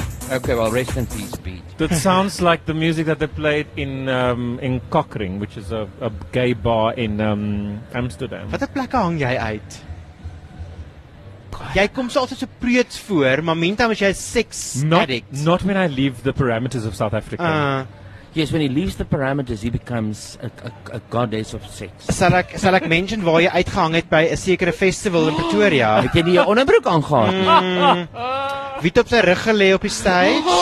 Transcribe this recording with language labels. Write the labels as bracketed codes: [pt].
[en] Okay, well, rest in peace, Pete. That sounds like the music that they played in Cockring, which is a gay bar in Amsterdam. [af] Wat 'n plek hang jy uit? Jy kom so altyd so preuts voor, maar meantime is jy sex addict. [en] Not when I leave the parameters of South Africa. Yes, when he leaves the parameters, he becomes a goddess of sex. [af] Sal ek mention waar jy uitgehang het by 'n sekere festival in Pretoria? Het jy nie jou onderbroek aangehad? Wie het op sy rug gelê op die stage?